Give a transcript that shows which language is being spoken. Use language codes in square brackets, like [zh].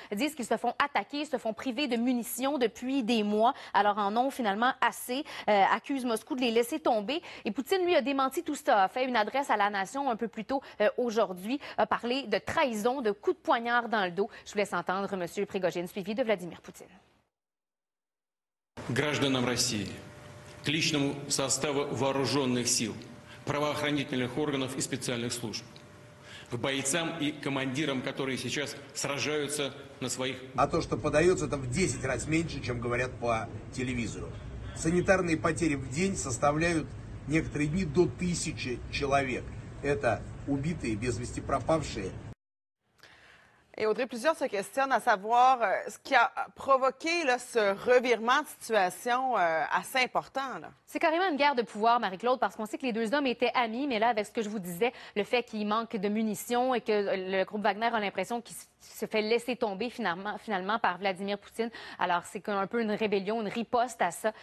[fr] Ils disent qu'ils se font attaquer, se font priver de munitions depuis des mois. Alors, en ont finalement assez. Accuse Moscou de les laisser tomber. Et Poutine, lui, a démenti tout ça. A fait une adresse à la nation un peu plus tôt aujourd'hui. A parlé de trahison, de coups de poignard dans le dos. Je vous laisse entendre M. Prigojine, suivi de Vladimir Poutine. [ru] Гражданам России, к личному составу вооруженных сил, правоохранительных органов и специальных служб, к бойцам и командирам, которые сейчас сражаются на своих... А то, что подается, это в 10 раз меньше, чем говорят по телевизору. Санитарные потери в день составляют некоторые дни до 1000 человек. Это убитые, без вести пропавшие. [fr] Et Audrey, plusieurs se questionnent à savoir ce qui a provoqué là, ce revirement de situation assez important. Là. C'est carrément une guerre de pouvoir, Marie-Claude, parce qu'on sait que les deux hommes étaient amis, mais là, avec ce que je vous disais, le fait qu'il manque de munitions et que le groupe Wagner a l'impression qu'il se fait laisser tomber finalement par Vladimir Poutine, alors c'est un peu une rébellion, une riposte à ça.